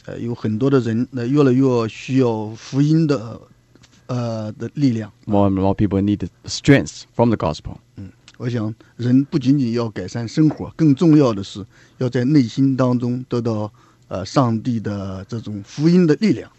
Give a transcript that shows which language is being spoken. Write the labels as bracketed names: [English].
[Chinese] 有很多的人, 越来越需要福音的, 的力量, [English] more and more people need the strength from the gospel. [Chinese] 我想人不仅仅要改善生活, 更重要的是, 要在内心当中得到, 上帝的这种福音的力量。